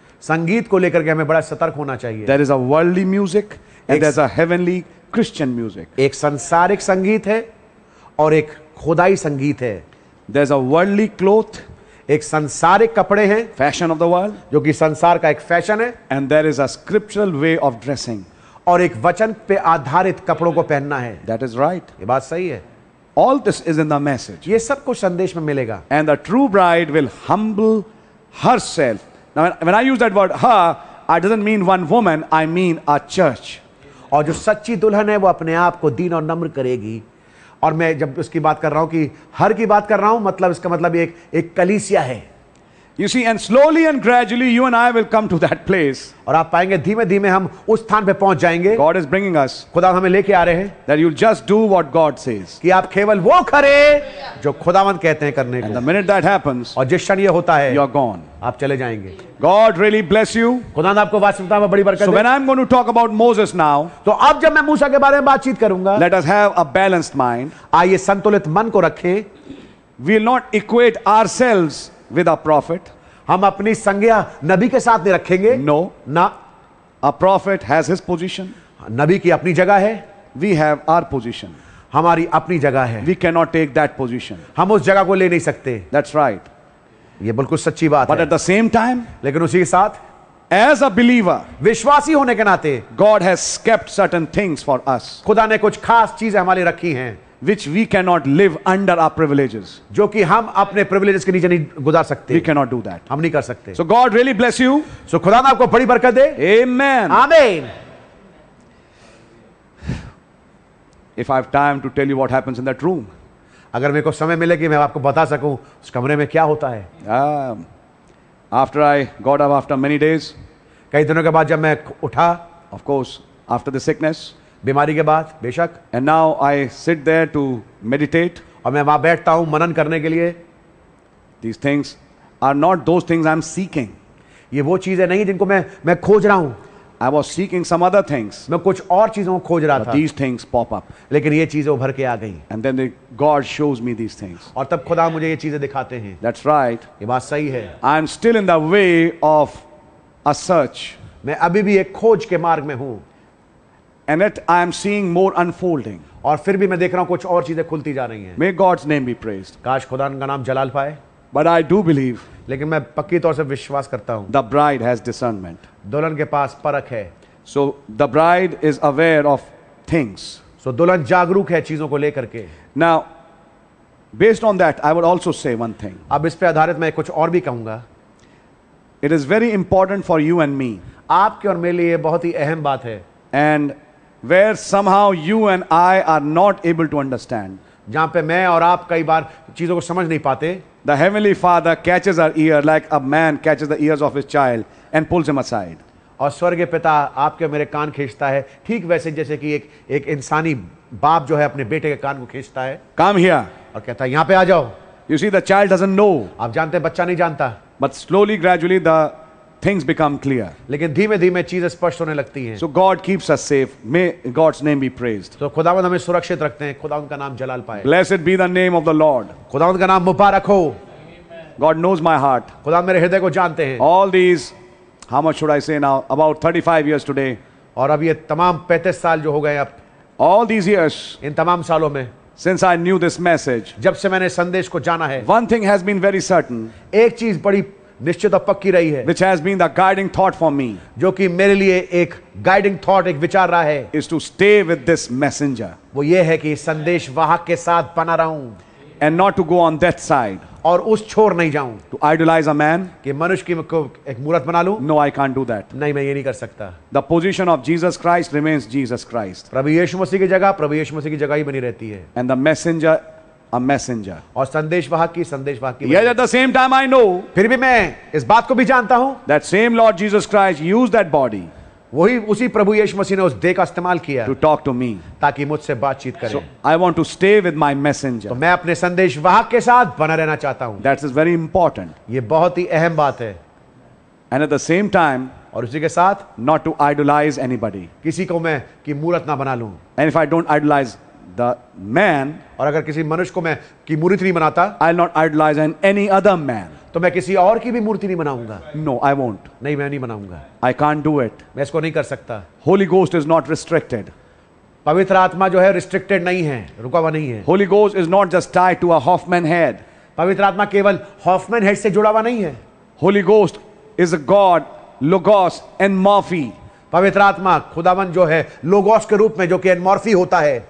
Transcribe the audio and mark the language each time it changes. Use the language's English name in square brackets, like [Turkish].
[Hindi] संगीत को लेकर के हमें बड़ा सतर्क होना चाहिए. [English] There is a worldly music and there's a heavenly Christian music. [Hindi] एक संसारिक संगीत है और एक खुदाई संगीत है. [English] There's a worldly cloth. [Hindi] एक संसारिक कपड़े हैं. [English] Fashion of the world. [Hindi] जो कि संसार का एक फैशन है. [English] And there is a scriptural way of dressing. [Hindi] और एक वचन पे आधारित कपड़ों को पहनना है. [English] That is right. [Hindi] ये बात सही है. [English] All this is in the message. [Hindi] ये सब कुछ संदेश में मिलेगा. [English] And the true bride will humble herself. Now, when I use that word her, I doesn't mean one woman. I mean a church. [Hindi] और जो सच्ची दुल्हन है वो अपने आप को दीन और नम्र करेगी. और मैं जब उसकी बात कर रहा हूं कि हर की बात कर रहा हूं, मतलब इसका मतलब एक कलीसिया है. [English] You see, and slowly and gradually, you and I will come to that place. God is bringing us. That you'll just do what God says. And the minute that happens, you are gone. God really bless you. So when I'm going to talk about Moses now, [Hindi] तो अब जब मैं मूसा के बारे में बातचीत करूंगा, [English] let us have a balanced mind. [Hindi] आइए संतुलित मन को रखें. [English] We'll not equate ourselves with a prophet. [Hindi] हम अपनी संज्ञा नबी के साथ नहीं रखेंगे. [English] No, [Hindi] ना. [English] A prophet has his position. [Hindi] नबी की अपनी जगह है. [English] We have our position. [Hindi] हमारी अपनी जगह है. [English] We cannot take that position. [Hindi] हम उस जगह को ले नहीं सकते. [English] That's right. [Hindi] ये बिल्कुल सच्ची बात है. [English] But at the same time, [Hindi] लेकिन उसी के साथ, [English] as a believer, [Hindi] विश्वासी होने के नाते, [English] God has kept certain things for us. [Hindi] खुदा ने कुछ खास चीजें हमारे रखी हैं. [English] Which we cannot live under our privileges. [Hindi] जो कि हम अपने privileges के नीचे नहीं गुजार सकते. [English] We cannot do that. [Hindi] हम नहीं कर सकते. [English] So God really bless you. [Hindi] So खुदा ने आपको बड़ी बरकत दे. [English] Amen. Amen. If I have time to tell you what happens in that room. [Hindi] अगर मेरे को समय मिले कि मैं आपको बता सकूं उस कमरे में क्या होता है. [English] After I got up after many days. [Hindi] कई दिनों के बाद जब मैं उठा. [English] Of course, after the sickness. [Hindi] बीमारी के बाद बेशक. [English] And now I sit there to meditate. [Hindi] और मैं वहां बैठता हूं मनन करने के लिए. [English] These things are not those things I'm seeking. [Hindi] ये वो चीजें नहीं जिनको मैं खोज रहा हूं. [English] I was seeking some other things. [Hindi] मैं कुछ और चीजों को खोज रहा था. [English] These things pop up. [Hindi] लेकिन ये चीजें उभर के आ गई. [English] And then God shows me these things. [Hindi] और तब खुदा मुझे ये चीजें दिखाते हैं. [English] That's right. [Hindi] ये बात सही है. [English] I'm still in the way of a search. [Hindi] मैं अभी भी एक खोज के मार्ग में हूं. [English] And it, I am seeing more unfolding. [Hindi] और फिर भी मैं देख रहा हूँ कुछ और चीजें खुलती जा रही हैं. [English] May God's name be praised. [Hindi] काश खुदा का नाम जलाल पाए. [English] But I do believe. [Hindi] लेकिन मैं पक्की तौर से विश्वास करता हूँ. [English] The bride has discernment. [Hindi] दुल्हन के पास परख है. [English] So the bride is aware of things. [Hindi] So दुल्हन जागरूक है चीजों को लेकर के. [English] Now, based on that, I would also say one thing. [Hindi] अब इस पे आधारित मैं कुछ और भी कहूंगा. [English] It is very important for you and me. [Hindi] आपके और मेरे लिए बहुत ही अहम बात है. [English] And where somehow you and I are not able to understand. [Hindi] जहाँ पे मैं और आप कई बार चीजों को समझ नहीं पाते. [English] The heavenly Father catches our ear like a man catches the ears of his child and pulls him aside. [Hindi] और स्वर्ग पिता आपके मेरे कान खींचता है ठीक वैसे जैसे कि एक इंसानी बाप जो है अपने बेटे के कान को खींचता है. [English] Come here. [Hindi] और कहता है यहाँ पे आ जाओ. [English] You see the child doesn't know. [Hindi] आप जानते बच्चा नहीं जानता. [English] But slowly, gradually the things become clear. [Hindi] लेकिन धीमे-धीमे चीजें स्पष्ट होने लगती हैं. [English] So God keeps us safe. May God's name be praised. [Hindi] तो खुदावंद हमें सुरक्षित रखते हैं. खुदावंद का नाम जलाल पाए. [English] Blessed be the name of the Lord. [Hindi] खुदावंद का नाम मुबारक हो. [English] God knows my heart. [Hindi] खुदा मेरे हृदय को जानते हैं. [English] All these, how much should I say now? About 35 years today. [Hindi] और अब ये तमाम 35 साल जो हो गए अब. [English] All these years. [Hindi] इन तमाम सालों में. [English] Since I knew this message. [Hindi] जब से मैंने संदेश को जाना है. [English] One thing has been very certain. [Hindi] एक चीज बड़ी निश्चित और पक्की रही है, [English] which has been the guiding thought for me, [Hindi] जो कि मेरे लिए एक [English] guiding thought, [Hindi] एक विचार रहा है, [English] is to stay with this messenger, [Hindi] वो ये है कि संदेश वाहक के साथ बना रहूं, [English] and not to go on that side, [Hindi] और उस छोर नहीं जाऊं, [English] to idolize a man, [Hindi] कि मनुष्य की को एक मूरत बना लूं, [English] no I can't do that, [Hindi] नहीं मैं ये नहीं कर सकता, [English] the position of Jesus Christ remains Jesus Christ, [Hindi] प्रभु यीशु मसीह की जगह, प्रभु यीशु मसीह की जगह ही बनी रहती है, [English] and the messenger a messenger, [Hindi] और संदेशवाहक की संदेशवाहकी, [English] yet at the same time I know, [Hindi] फिर भी मैं इस बात को भी जानता हूं, [English] that same Lord Jesus Christ used that body, [Hindi] वही उसी प्रभु यीशु मसीह ने उस देह का इस्तेमाल किया, [English] to talk to me, [Hindi] ताकि मुझसे बातचीत करे, [English] so I want to stay with my messenger, [Hindi] तो मैं अपने संदेशवाहक के साथ बना रहना चाहता हूं, [English] that is very important, [Hindi] ये बहुत ही अहम बात है, [English] and at the same time, [Hindi] और उसी के साथ, [English] not to idolize anybody, [Hindi] किसी को मैं की मूरत ना बना लूं, [English] and if I don't idolize the man, [Hindi] और अगर किसी मनुष्य को मैं की मूर्ति नहीं बनाता, [English] I'll not idolize any other man, [Hindi] तो मैं किसी और की भी मूर्ति नहीं बनाऊंगा, [English] no I won't, [Hindi] नहीं मैं नहीं बनाऊंगा, [English] I can't do it, [Hindi] मैं इसको नहीं कर सकता, [English] Holy Ghost is not restricted, [Hindi] पवित्र आत्मा जो है restricted नहीं है, रुका हुआ नहीं है, [English] Holy Ghost is not just tied to a Hoffman head, [Hindi] पवित्र आत्मा केवल Hoffman head से जुड़ा हुआ नहीं है, [English] Holy Ghost is a God, Logos and Morphe, [Hindi] पवित्र आत्मा खुदावन जो है लोगोस के रूप में, जो कि एनमॉर्फी होता है,